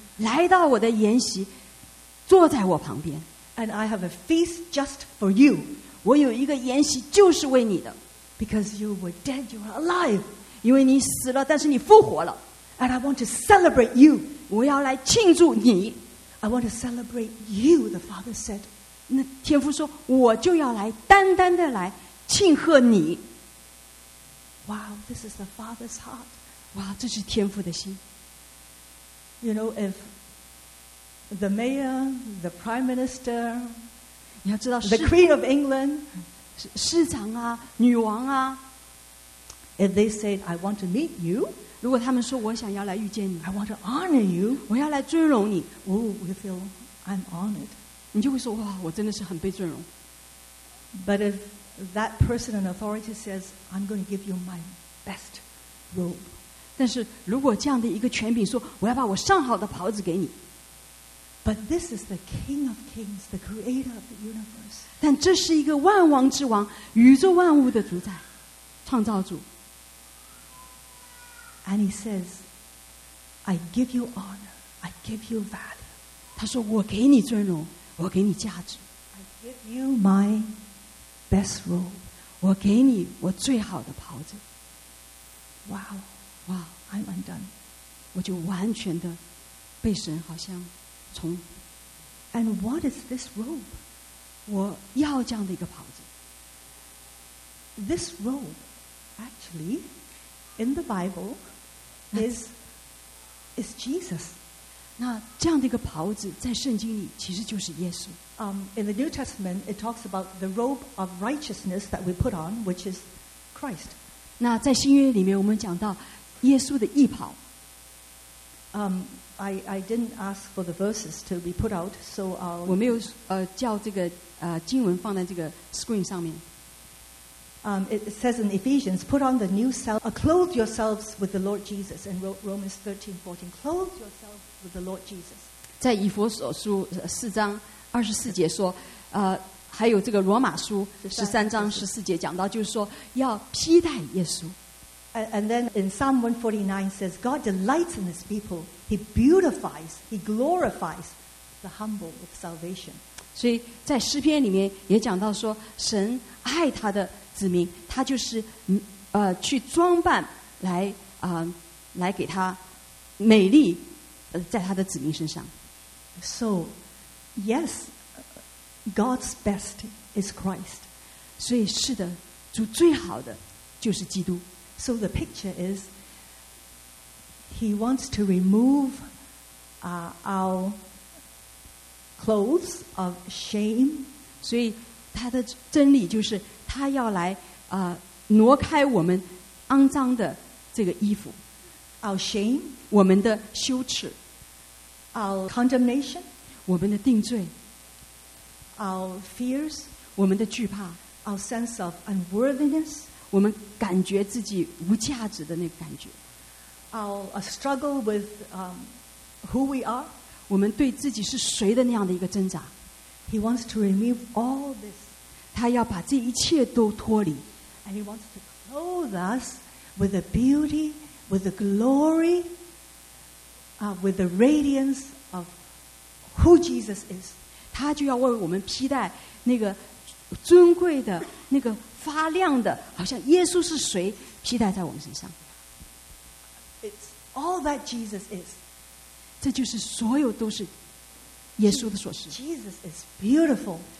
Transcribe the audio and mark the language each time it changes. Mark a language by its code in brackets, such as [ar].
[zh] 来到我的筵席, 坐在我旁边。 [en] And I have a feast just for you. [zh] 我有一个筵席就是为你的。 [en] Because you were dead, you are alive. [zh] 因为你死了,但是你复活了。 [en] And I want to celebrate you. [zh] 我要来庆祝你。 [en] I want to celebrate you, the father said. [zh] 那天父说, 我就要来单单的来庆贺你。 [en] Wow, this is the Father's heart. [zh] Wow, 这是天父的心. [en] You know, if the mayor, the prime minister, [zh] 你要知道是, [en] the queen of England, [zh] 市长啊, 女王啊, [en] if they said, I want to meet you, [zh] 如果他们说我想要来遇见你, [en] I want to honor you, [zh] 我要来尊荣你, [en] oh, you feel I'm honored. [zh] 你就会说, 哇, 我真的是很被尊荣. [en] But if that person in authority says, I'm going to give you my best robe. [zh] 但是如果这样的一个权柄说, 我要把我上好的袍子给你。 [en] But this is the King of Kings, the creator of the universe. [zh] 但这是一个万王之王, 宇宙万物的主宰, 创造主。 [en] And he says, I give you honor, I give you value. [zh] 他说, 我给你尊荣, 我给你价值。 [en] I give you my best robe. [zh] 我给你我最好的袍子。 [en] Wow. Wow. I'm undone. [zh] 我就完全的被神好像从。 [en] And what is this robe? [zh] 我要这样的一个袍子。 [en] This robe, actually, in the Bible, is Jesus. [zh] 那这样的一个袍子在圣经里其实就是耶稣。 [en] In the New Testament, it talks about the robe of righteousness that we put on, which is Christ. [zh] 那在新约里面我们讲到耶稣的义袍。 [en] I didn't ask for the verses to be put out, so I'll... [zh] 我没有叫这个经文放在这个screen上面。 [en] It says in Ephesians, put on the new self, clothe yourselves with the Lord Jesus. In Romans 13, 14, clothe yourself with the Lord Jesus. [zh] 在以弗所书四章, 二十四节说，还有这个罗马书十三章十四节讲到，就是说要披戴耶稣。 [en] And then in Psalm 149 says, God delights in his people. He beautifies, he glorifies the humble with salvation. [zh] 所以在诗篇里面也讲到说，神爱他的子民，他就是去装扮来来给他美丽在他的子民身上。 [en] So yes, God's best is Christ. [zh] 所以是的，主最好的就是基督。 [en] So the picture is He wants to remove our clothes of shame. [zh] 所以他的真理就是他要来挪开我们肮脏的这个衣服。 [en] Our shame, [zh] 我们的羞耻。 [en] Our condemnation, [zh] 我们的定罪。 [en] Our fears, [zh] 我们的惧怕。 [en] Our sense of unworthiness, [zh] 我们感觉自己无价值的那个感觉。 [en] Our struggle with who we are, [zh] 我们对自己是谁的那样的一个挣扎。 [en] He wants to remove all this, [zh] 他要把这一切都脱离。 [en] And he wants to clothe us with the beauty, with the glory, with the radiance of who Jesus is. [zh] 他就要为我们披戴那个尊贵的、那个发亮的，好像耶稣是谁，披戴在我们身上。 [en] It's all that Jesus is. [zh] 这就是所有都是耶稣的所是。 [en] Jesus is beautiful.